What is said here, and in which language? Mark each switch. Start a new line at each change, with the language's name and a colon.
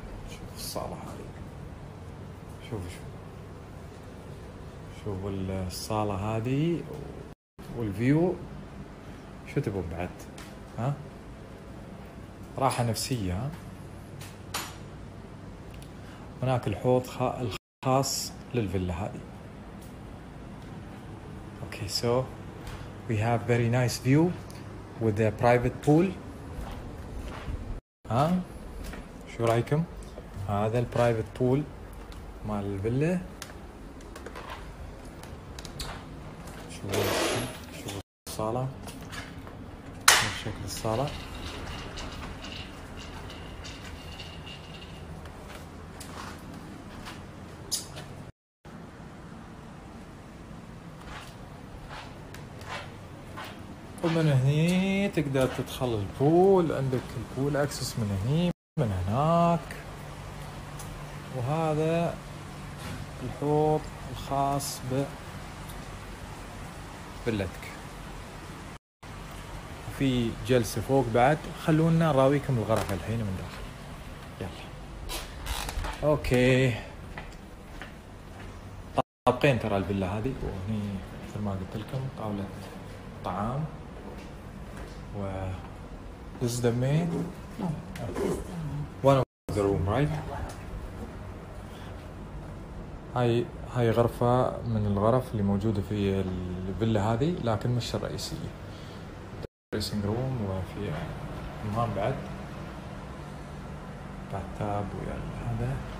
Arabic: شوفوا الصالة هذه، شوفوا شوفوا الصالة هذه والفيو، شو تبون بعد؟ ها؟ راحة نفسية. هناك الحوض الخاص للفيلا هذه.
English: Okay, so we have very nice view with a private pool.
Arabic: ها؟ شو رأيكم؟ هذا البرايفت بول مال الفيلا. شوفوا الصالة. شوفوا شكل الصالة. ومن هني تقدر تدخل البول، عندك البول اكسس من هني من هناك، وهذا الحوض الخاص بفيلتك. في جلسة فوق بعد، خلونا نراويكم الغرفة الحين من داخل. يلا اوكي، طابقين ترى الفيلا هذه، وهني مثل ما قلت لكم طاولة طعام.
English: و this is the main one of the room, right?
Arabic: هاي غرفة من الغرف اللي موجودة في الفيلا هذه، لكن مش الرئيسية. dressing room وفي حمام بعد، باتاب ويا هذا.